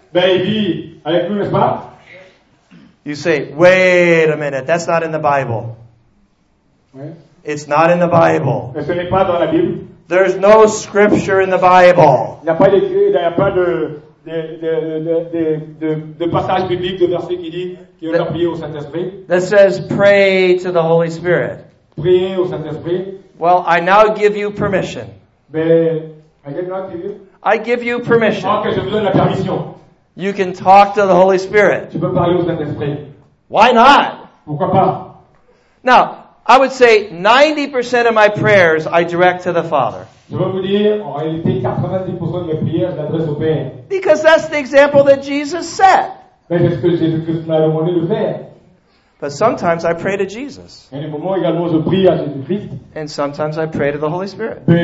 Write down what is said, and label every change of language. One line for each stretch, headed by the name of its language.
French: Ben, il vit avec nous, n'est-ce pas?
English: You say, wait a minute, that's not in the Bible. It's not in the Bible.
French: Ce n'est pas dans la Bible.
English: There's no scripture in the Bible.
French: Il n'y a pas d'écrit, il n'y a pas de passage biblique de verset qui dit qu'il faut prier au Saint-Esprit.
English: That says pray to the Holy Spirit.
French: Priez au Saint-Esprit.
English: Well, I now give you permission. I give you permission.
French: Okay, je vous donne la permission.
English: You can talk to the Holy Spirit.
French: Tu peux parler au Saint-Esprit.
English: Why not?
French: Pourquoi pas?
English: Now, I would say 90% of my prayers I direct to the Father.
French: Je veux vous dire, en réalité, 90% de mes prières, je l'adresse au Père.
English: Because that's the example that Jesus set.
French: Mais c'est ce que Jésus-Christ m'a demandé de faire.
English: But sometimes I pray to Jesus.
French: Et des moments également, je prie à Jésus-Christ.
English: And sometimes I pray to the Holy Spirit.